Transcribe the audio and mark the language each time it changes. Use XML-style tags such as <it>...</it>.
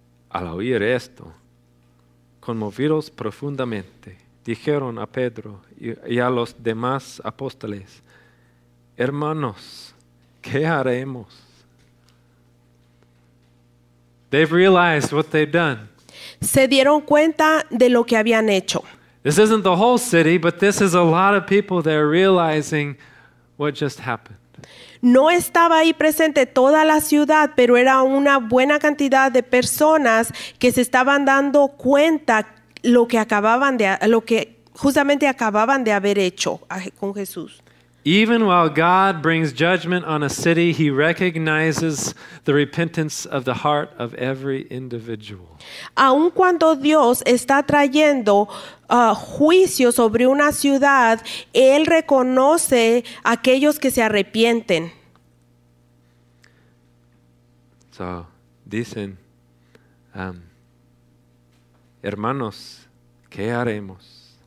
<es>Al oír esto, conmovidos profundamente, dijeron a Pedro y a los demás apóstoles, hermanos, ¿qué haremos?</es> <en>They've realized what they've done.</en> <es>Se dieron cuenta de lo que habían hecho.</es> <en>This isn't the whole city, but this is a lot of people that are realizing what just happened.</en> <es>No estaba ahí presente toda la ciudad, pero era una buena cantidad de personas que se estaban dando cuenta lo que acababan de lo que justamente acababan de haber hecho con Jesús.</es> <en>Even while God brings judgment on a city, he recognizes the repentance of the heart of every individual.</en> <es>Aun cuando Dios está trayendo juicio sobre una ciudad, él reconoce aquellos que se arrepienten. So, dicen, hermanos, ¿qué haremos?</es>